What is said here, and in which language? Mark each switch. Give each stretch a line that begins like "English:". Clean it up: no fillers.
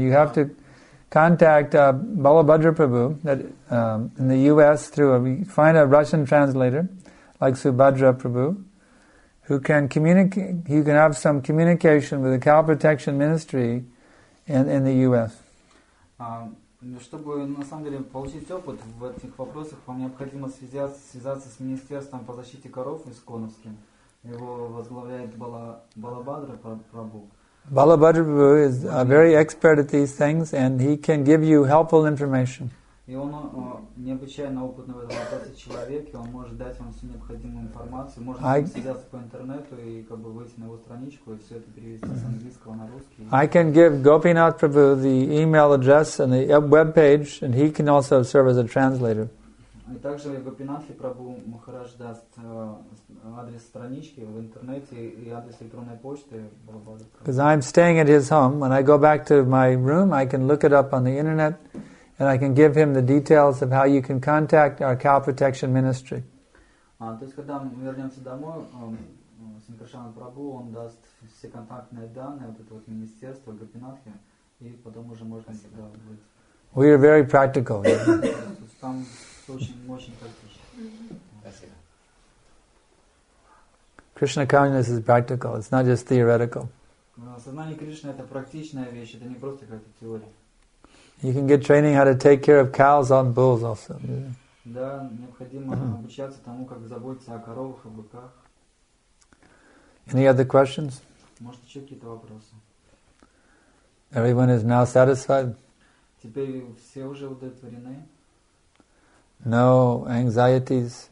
English: You have to contact Balabhadra Prabhu in the U.S. find a Russian translator like Subhadra Prabhu who can communicate. You can have some communication with the cow protection ministry in the U.S.
Russian: Чтобы на самом деле получить опыт в этих вопросах, вам необходимо связаться с Министерством по защите коров исконовским. Его возглавляет Балабхадра Прабху.
English: Балабхадра Прабху is a very expert at these things and he can give you helpful information.
Russian: И он необычайно опытный в этом вопросе человек, и он может дать вам всю необходимую информацию. Можно связаться по интернету и как бы выйти на его страничку и все это перевести с английского на русский.
English: I can give Gopinath Prabhu the email address and the web page, and he can also serve as a translator.
Russian: И также Гопинатхи Прабху Махарадж даст адрес странички в интернете и адрес электронной почты.
English: Because I'm staying at his home. When I go back to my room, I can look it up on the internet. And I can give him the details of how you can contact our cow protection ministry.
Russian: То есть когда мы вернемся домой, Синкаршана Прабу, он даст все контактные данные вот этого министерства Гопинатхи, и потом уже можно всегда будет.
English: We are very practical.
Russian: Там очень практично. Спасибо.
English: Krishna consciousness is practical. It's not just theoretical.
Russian: Сознание Кришны это практичная вещь. Это не просто какая-то теория.
English: You can get training how to take care of cows and bulls also.
Russian: Да, необходимо обучаться тому, как заботиться о коровах и быках.
English: Any other questions?
Russian: Может, еще какие-то вопросы?
English: Everyone is now satisfied?
Russian: Теперь все уже удовлетворены?
English: No anxieties.